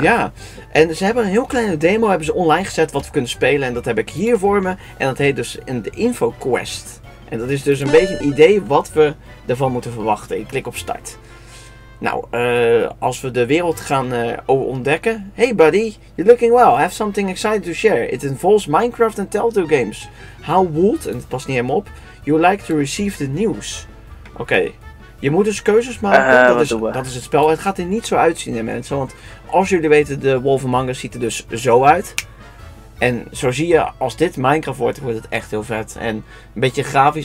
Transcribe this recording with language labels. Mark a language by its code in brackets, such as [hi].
[nl] Ja, en ze hebben een heel kleine demo hebben ze online gezet wat we kunnen spelen en dat heb ik hier voor me. En dat heet dus in de Info Quest. En dat is dus een beetje een idee wat we ervan moeten verwachten. Ik klik op start. Nou, als we de wereld gaan ontdekken. [en] Hey buddy, you're looking well. I have something exciting to share. It involves Minecraft and Telltale Games. How would, [nl] en het past niet helemaal op, [en] you like to receive the news? Oké, okay. [nl] Je moet dus keuzes maken. Dat is het spel. Het gaat er niet zo uitzien, hè, mensen. Want als jullie weten, de Wolf Among Us ziet er dus zo uit. En zo zie je, als dit Minecraft wordt, wordt het echt heel vet en een beetje grafisch.